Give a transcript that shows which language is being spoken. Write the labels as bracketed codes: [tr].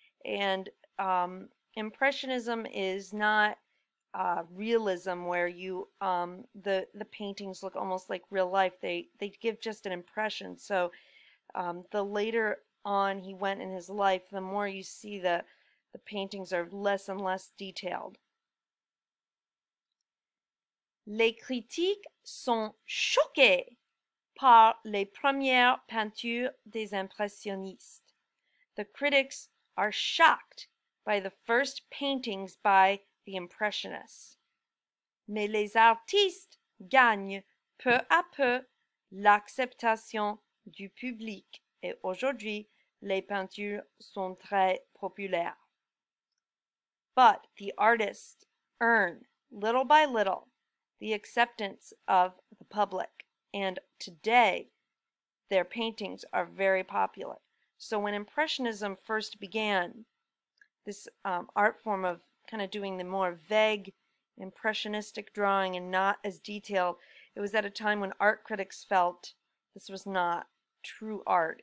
[en] And Impressionism is not realism where you the paintings look almost like real life. They give just an impression. So the later on he went in his life, the more you see the paintings are less and less detailed. [fr] Les critiques sont choquées par les premières peintures des impressionnistes. [en] The critics are shocked by the first paintings by the impressionists. [fr] Mais les artistes gagnent peu à peu l'acceptation du public et aujourd'hui, les peintures sont très populaires. [en] But the artists earn, little by little, the acceptance of the public, and today their paintings are very popular. So when Impressionism first began, this art form of kind of doing the more vague, impressionistic drawing and not as detailed, it was at a time when art critics felt this was not true art.